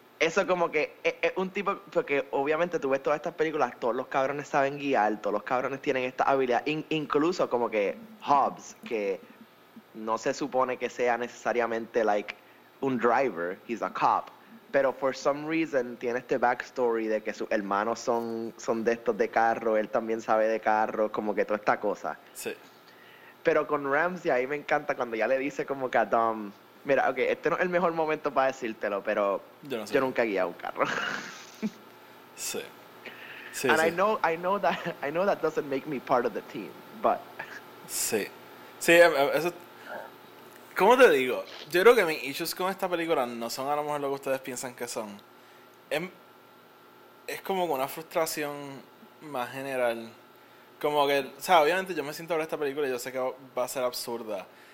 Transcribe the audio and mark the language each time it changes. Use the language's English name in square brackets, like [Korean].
[Spanish] Eso como que es un tipo, porque obviamente tú ves todas estas películas, todos los cabrones saben guiar, todos los cabrones tienen esta habilidad, incluso como que Hobbs, que no se supone que sea necesariamente like un driver, [English] he's a cop, [Spanish] pero [English] for some reason [Spanish] tiene este backstory de que sus hermanos son de estos de carro, él también sabe de carro, como que toda esta cosa. Sí. Pero con Ramsey ahí me encanta cuando ya le dice como que a Dom, mira, ok, este no es el mejor momento para decírtelo, pero Yo no yo sé. nunca he guiado un carro. Sí. And Sí, [English] I know that doesn't make me part of the team, but [Spanish] sí. Sí, eso. ¿Cómo te digo? Yo creo que mis issues con esta película no son a lo mejor lo que ustedes piensan que son. Es como una frustración más general. Como que, o sea, obviamente yo me siento a ver esta película y yo sé que va a ser absurda.